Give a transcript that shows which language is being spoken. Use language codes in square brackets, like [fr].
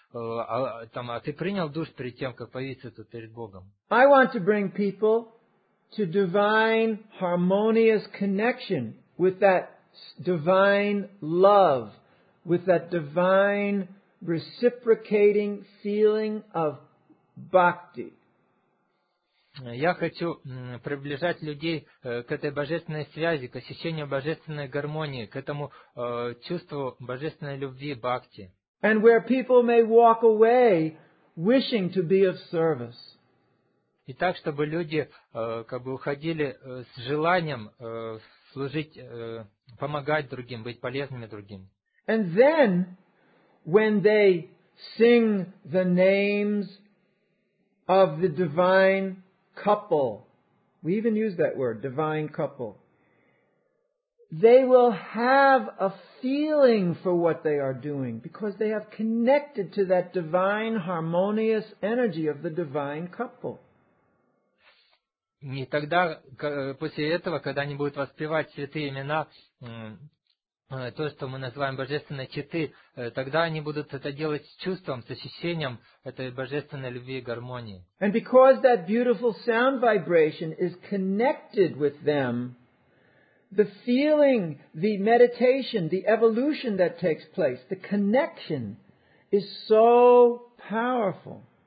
[ru] А ты принял душ перед тем, как появиться тут перед Богом? [en] I want to bring people to divine harmonious connection with that divine love, with that divine reciprocating feeling of bhakti. [ru] Я хочу приближать людей к этой божественной связи, к ощущению божественной гармонии, к этому чувству божественной любви, бхакти. [en] And where people may walk away wishing to be of service. [ru] И так, чтобы люди как бы уходили с желанием служить, помогать другим, быть полезными другим. [en] And then when they sing the names of the divine couple, we even use that word, divine couple, they will have a feeling for what they are doing because they have connected to that divine harmonious energy of the divine couple. [ru] И тогда, после этого, когда они будут воспевать святые имена, то, что мы называем божественной четы, тогда они будут это делать с чувством, с ощущением этой божественной любви и гармонии. [en] And because that beautiful sound vibration is connected with them, the feeling, the meditation, the evolution that takes place, the connection is so powerful.